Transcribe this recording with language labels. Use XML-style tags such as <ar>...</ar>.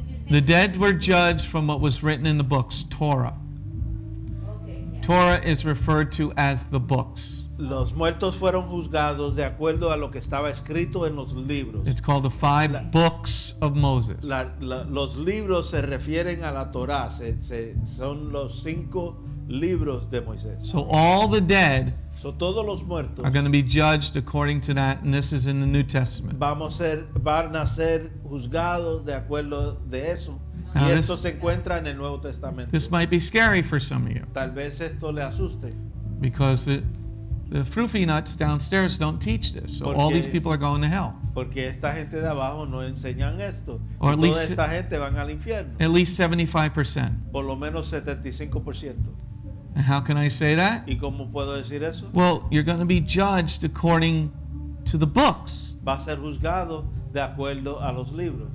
<en>The dead were judged from what was written in the books, Torah. Okay, yeah. Torah is referred to as the books.</en> <es>Los muertos fueron juzgados de acuerdo a lo que estaba escrito en los libros.</es> <en>It's called the five books of Moses.</en> <es>Los libros se refieren a la Torah. Son los cinco libros de Moisés.</es> <en>So all the dead,</en> <es>so todos los muertos,</es> <en>are going to be judged according to that, and this is in the New Testament.</en> <es>Van a ser juzgados de acuerdo de eso. Now, y esto se encuentra en el Nuevo Testamento.</es> <en>This might be scary for some of you.</en> <es>Tal vez esto le asuste.</es> <en>Because the froofy nuts downstairs don't teach this. So</en> <es>porque,</es> <en>all these people are going to hell.</en> <es>Porque esta gente de abajo no enseñan esto.</es> <en>Or at least,</en> <es>toda esta gente van al infierno.</es> <en>At least 75%.</en> <es>Por lo menos 75%.</es> <en>And how can I say that?</en> <es>¿Y cómo puedo decir eso?</es> <en>Well, you're going to be judged according to the books.</en> <es>Va a ser juzgado de acuerdo a los libros.</es>